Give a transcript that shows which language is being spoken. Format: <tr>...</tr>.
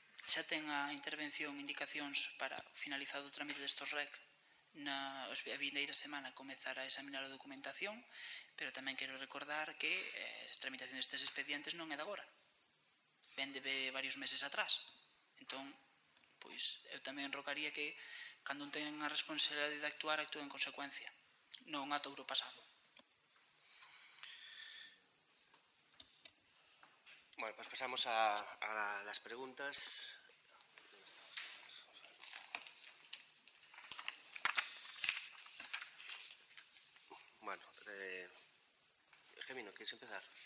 <gl>Xa ten a intervención indicacións para finalizar o trámite destos REC na a vindeira semana comezar a examinar a documentación, pero tamén quero recordar que a tramitación destes expedientes non é de agora. Ven de varios meses atrás. Entón, pois, eu tamén rogaría que cando un ten a responsabilidade de actuar, actúe en consecuencia, non ata o pasado.</gl> <es>Bueno, pues pasamos a las preguntas. Bueno, Gemino, ¿quieres empezar?</es>